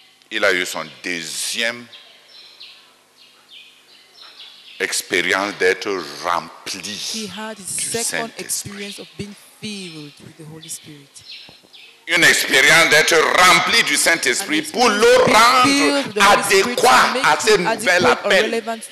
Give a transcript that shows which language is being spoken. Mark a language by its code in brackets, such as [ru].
[fr] Il a eu son deuxième expérience d'être rempli du Saint-Esprit. [en] He had his second experience of being filled with the Holy Spirit. [fr] Une expérience d'être rempli du Saint-Esprit pour le rendre adéquat à ce nouvel appel.